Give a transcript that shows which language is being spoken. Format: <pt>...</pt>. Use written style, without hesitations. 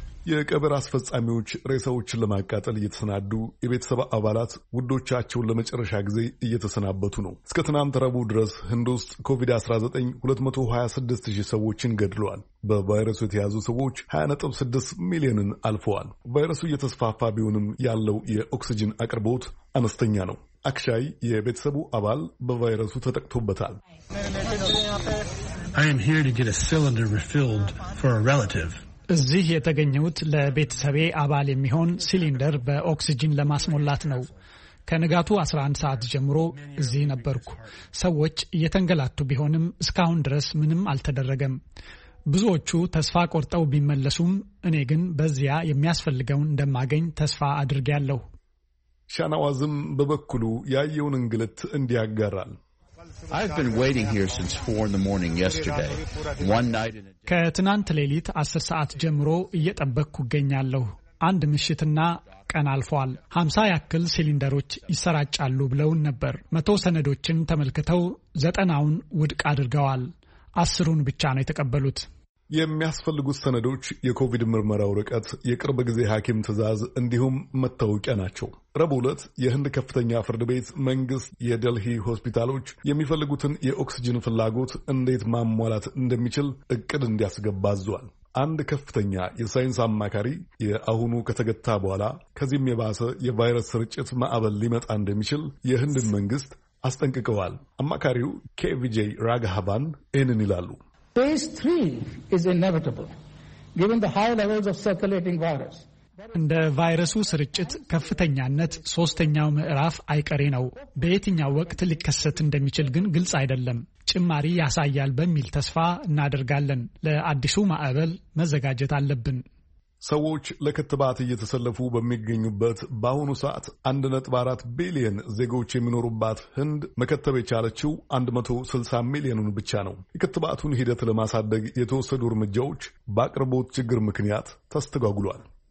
<am>የቀብር አስፈጻሚዎች ሬሳዎችን ለማቃጠል እየተሰናዱ፣ የቤተሰብ አባላት ውዶቻቸውን ለመጨረሻ ጊዜ እየተሰናበቱ ነው። እስከ ትናንት ረቡዕ ድረስ ህንድ ውስጥ ኮቪድ-19 226,000 ሰዎችን ገድለዋል። በቫይረሱ የተያዙ ሰዎች 20.6 ሚሊዮንን አልፈዋል። ቫይረሱ እየተስፋፋ ቢሆንም ያለው የኦክስጅን አቅርቦት አነስተኛ ነው። አክሻይ የቤተሰቡ አባል በቫይረሱ ተጠቅቶበታል።</am> <en>I am here to get a cylinder refilled for a relative.</en> <am>እዚህ የተገኘሁት ለቤተሰቤ አባል የሚሆን ሲሊንደር በኦክስጅን ለማስሞላት ነው። ከንጋቱ 11 ሰዓት ጀምሮ እዚህ ነበርኩ። ሰዎች እየተንገላቱ ቢሆንም እስካሁን ድረስ ምንም አልተደረገም። ብዙዎቹ ተስፋ ቆርጠው ቢመለሱም እኔ ግን በዚያ የሚያስፈልገውን እንደማገኝ ተስፋ አድርጌያለሁ። ሻናዋዝም በበኩሉ ያየውን እንግልት እንዲያጋራል።</am> <en>I've been waiting here since 4 in the morning yesterday. One night in a day.</en> <am>ከትናንት ሌሊት 10 ሰዓት ጀምሮ እየጠበቅኩ እገኛለሁ። አንድ ምሽትና ቀን አልፏል። 50 ያክል ሲሊንደሮች ይሰራጫሉ ብለውን ነበር። 100 ሰነዶችን ተመልክተው 90ውን ውድቅ አድርገዋል። 10ሩን ብቻ ነው የተቀበሉት። የሚያስፈልጉት ሰነዶች የኮቪድ ምርመራ ወረቀት፣ የቅርብ ጊዜ ሐኪም ትዕዛዝ እንዲሁም መታወቂያ ናቸው። ረቡዕ ዕለት የህንድ ከፍተኛ ፍርድ ቤት መንግስት የደልሂ ሆስፒታሎች የሚፈልጉትን የኦክስጅን ፍላጎት እንዴት ማሟላት እንደሚችል እቅድ እንዲያስገባ አዟል። አንድ ከፍተኛ የሳይንስ አማካሪ የአሁኑ ከተገታ በኋላ ከዚህም የባሰ የቫይረስ ስርጭት ማዕበል ሊመጣ እንደሚችል የህንድን መንግስት አስጠንቅቀዋል። አማካሪው ኬቪጄ ራግሃቫን ይህንን ይላሉ።</am> <en>Phase 3 is inevitable given the high levels of circulating virus.</en> <am>እንደ ቫይረሱ ስርጭት ከፍተኛነት ሶስተኛው ምዕራፍ አይቀሬ ነው። በየትኛው ወቅት ሊከሰት እንደሚችል ግን ግልጽ አይደለም። ጭማሪ ያሳያል በሚል ተስፋ እናደርጋለን። ለአዲሱ ማዕበል መዘጋጀት አለብን። ሰዎች ለክትባት እየተሰለፉ በሚገኙበት በአሁኑ ሰዓት 1.4 ቢሊዮን ዜጎች የሚኖሩባት ህንድ መከተብ የቻለችው 160 ሚሊዮኑን ብቻ ነው። የክትባቱን ሂደት ለማሳደግ የተወሰዱ እርምጃዎች በአቅርቦት ችግር ምክንያት ተስተጓጉሏል።</am>